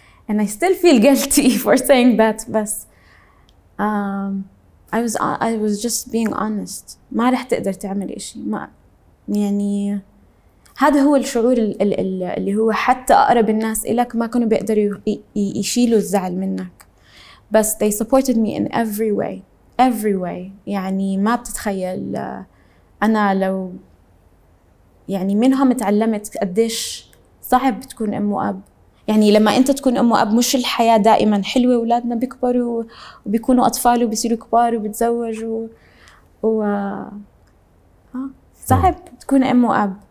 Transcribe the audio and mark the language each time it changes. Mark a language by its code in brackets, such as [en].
[en] and I still feel guilty for saying that, بس I was just being honest. ما رح تقدر تعمل إشي. ما يعني [ar] هذا هو الشعور اللي هو حتى أقرب الناس إليك ما كانوا بيقدروا يشيلوا الزعل منك. [en] بس they supported me in every way, every way. [ar] يعني ما بتتخيل أنا لو يعني منهم تعلمت قديش صعب تكون أم وأب. يعني لما أنت تكون أم وأب مش الحياة دائما حلوة. أولادنا بيكبروا وبيكونوا أطفال وبيصيروا كبار وبتزوجوا صعب تكون أم وأب.